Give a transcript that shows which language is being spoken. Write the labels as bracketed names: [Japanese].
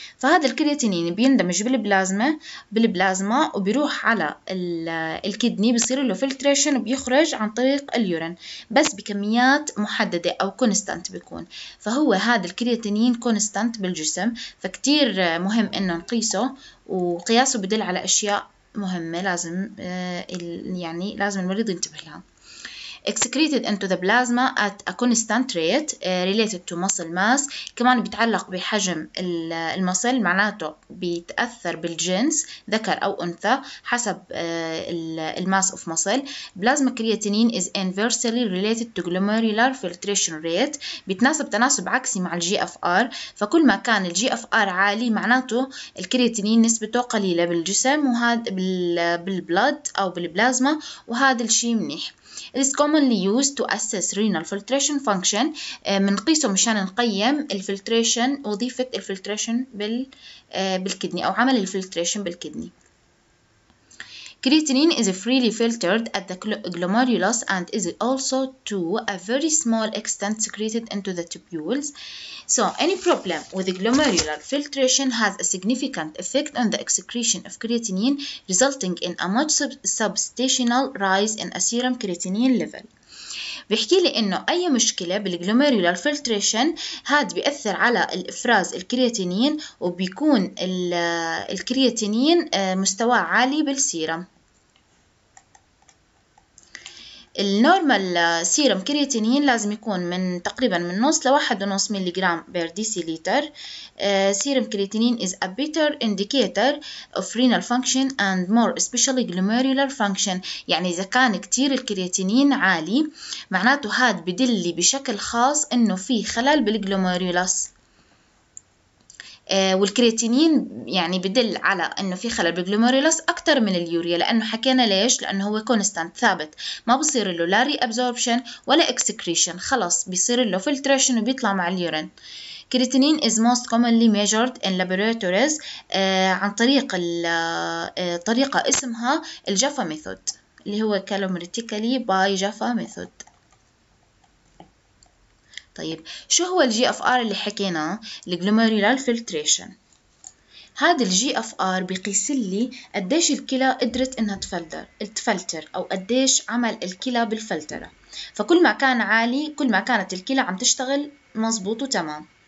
[Arabic] فهذا الكرياتينين بيندمج بالبلازما وبيروح على الكدني، بيصير له فلتريشن وبيخرج عن طريق اليورين بس بكميات محددة أو كونستانت بيكون. فهو هذا الكرياتينين كونستانت بالجسم، فكتير مهم إنه نقيسه، وقياسه بدل على أشياء مهمة لازم يعني لازم المريض ينتبه لها. [English] excreted into the plasma at a constant rate related to muscle mass، [Arabic] كمان بيتعلق بحجم المصل، معناته بيتأثر بالجنس ذكر أو أنثى حسب الماس [English] of muscle. plasma creatinine is inversely related to glomerular filtration rate، [Arabic] بيتناسب تناسب عكسي مع الجي اف ار، فكل ما كان الجي اف ار عالي معناته الكرياتينين نسبته قليلة بالجسم وهذا بالبلد أو بالبلازما، وهذا الشيء منيح. [English] It is commonly used to assess renal filtration function، [Arabic] منقيسه مشان نقيم الفلتريشن، وظيفة الفلتريشن بالكدني أو عمل الفلتريشن بالكدني. [English] Creatinine is freely filtered at the glomerulus and is also to a very small extent secreted into the tubules. So any problem with glomerular filtration has a significant effect on the excretion of creatinine, resulting in a much substantial rise in a serum creatinine level. [Arabic] بيحكي لي انه اي مشكله بالجلوميرولار فلتريشن هاد بياثر على الافراز الكرياتينين، وبيكون الكرياتينين مستواه عالي بالسيرم. النورمال سيرم كرياتينين لازم يكون من تقريبا من نص لواحد ونص ميلي جرام بير ديسي لتر. سيرم كرياتينين [English] is a better indicator of renal function and more especially glomerular function، [Arabic] يعني إذا كان كتير الكرياتينين عالي معناته هاد بدلي بشكل خاص إنه في خلل بالجلوميرولس، والكرياتينين يعني بدل على انه في خلل بالجلوميرولس اكثر من اليوريا، لانه حكينا ليش، لانه هو كونستانت ثابت، ما بصير له لا ري ابزوربشن ولا اكسكريشن، خلص بيصير له فلتريشن وبيطلع مع اليورين. [English] creatinine is most commonly measured in laboratories [Arabic] عن طريق طريقة اسمها الجافا ميثود اللي هو [English] calorimetrically by Jaffa method. [Arabic] طيب شو هو الجي اف ار اللي حكينا؟ الجلوميرولار فلتريشن. هذا الجي اف ار بيقيس لي قديش الكلى قدرت انها تفلتر او قديش عمل الكلى بالفلتره. فكل ما كان عالي كل ما كانت الكلى عم تشتغل مظبوط وتمام.